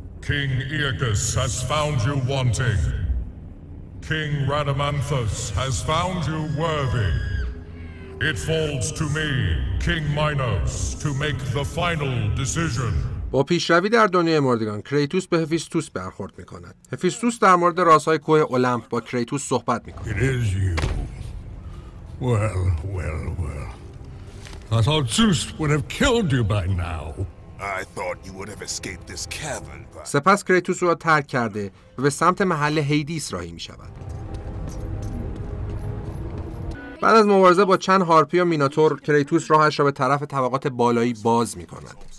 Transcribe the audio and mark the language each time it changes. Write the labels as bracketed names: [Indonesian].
[English] King Aegis has found you wanting. King Rhadamanthus has found you worthy. It falls to me, King Minos, to make the final decision. [Persian] با پیشروی در دنیای مردگان، کریتوس به هفیستوس برخورد میکند. هفیستوس در مورد رازهای کوه اولمپ با کریتوس صحبت میکند. [English] It is you. Well. I thought Zeus would have killed you by now. I thought you would have escaped this cavern. [Persian] سپس کریتوس را ترک کرده و به سمت محل هیدیس راهی می شود. بعد از مبارزه با چند هارپی و میناتور، کریتوس راهش را به طرف طبقات بالایی باز می کند.